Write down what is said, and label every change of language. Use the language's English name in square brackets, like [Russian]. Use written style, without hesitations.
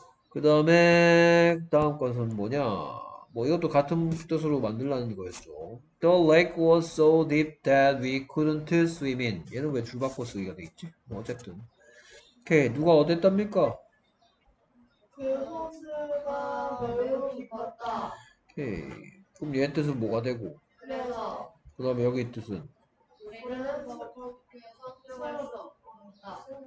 [Korean] 그 다음에 다음 것은 뭐냐? 뭐 이것도 같은 뜻으로 만들라는 거였죠. [English] The lake was so deep that we couldn't swim in. [Korean] 얘는 왜줄 바꿔 쓰기가 돼 있지? 뭐 어쨌든 오케이 누가 어땠답니까? 그 호수가 매우 깊었다. 오케이 그럼 얘 뜻은 뭐가 되고? 그래서 그 다음에 여기 뜻은 수영할 수가 없었다.